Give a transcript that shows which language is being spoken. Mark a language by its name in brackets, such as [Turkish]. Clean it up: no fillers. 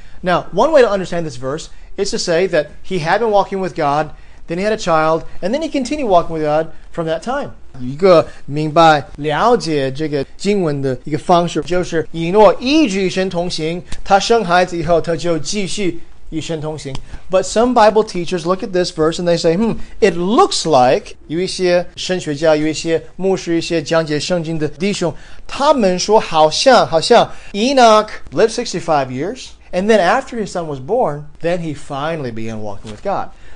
[English] Now, one way to understand this verse is to say that he had been walking with God, then he had a child, and then he continued walking with God from that time. [Chinese] 一个明白了解这个经文的一个方式就是以诺一直与神同行,他生孩子以后他就继续与神同行. [English] But some Bible teachers look at this verse and they say, it looks like [Chinese] 有一些神学家,有一些牧师,一些讲解圣经的弟兄,他们说好像 [English] Enoch lived 65 years, and then after his son was born, then he finally began walking with God.